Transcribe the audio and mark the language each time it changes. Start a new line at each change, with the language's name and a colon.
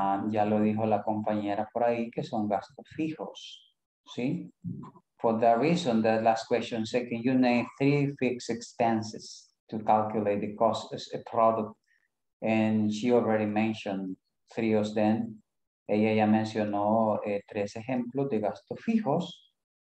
Spanish: Ya lo dijo la compañera por ahí, que son gastos fijos, ¿sí?
English: For that reason, the last question, say, can you name three fixed expenses to calculate the cost as a product? And she already mentioned three of them.
Spanish: Ella ya mencionó tres ejemplos de gastos fijos.